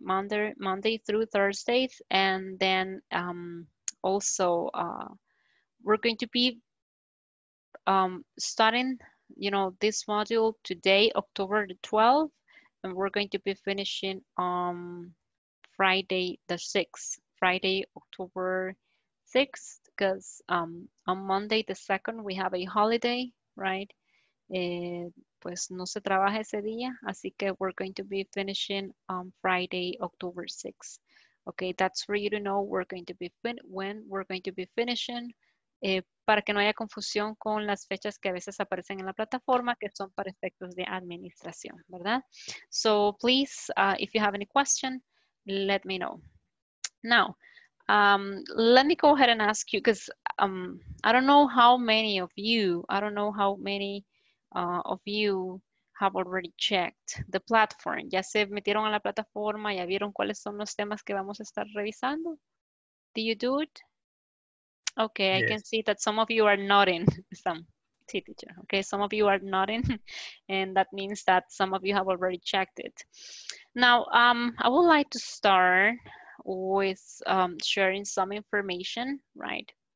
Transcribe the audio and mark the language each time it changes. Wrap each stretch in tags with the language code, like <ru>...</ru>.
<en>Monday through Thursday. And then also we're going to be starting, you know, this module today, October the 12th, and we're going to be finishing on Friday the 6th, Friday, October 6th, because on Monday the 2nd, we have a holiday, right?</en> <es>Pues no se trabaja ese día, así que</es> <en>we're going to be finishing on Friday, October 6th. Okay, that's for you to know we're going to be when we're going to be finishing.</en> <es>Para que no haya confusión con las fechas que a veces aparecen en la plataforma, que son para efectos de administración, ¿verdad?</es> <en>So please, if you have any question, let me know. Now, let me go ahead and ask you, because I don't know how many of you, of you have already checked the platform.</en> <es>¿Ya se metieron a la plataforma? ¿Ya vieron cuáles son los temas que vamos a estar revisando?</es> <en>Do you do it? Okay, yes. I can see that some of you are nodding, some teacher. Okay, some of you are nodding, and that means that some of you have already checked it. Now, I would like to start with sharing some information, right?</en>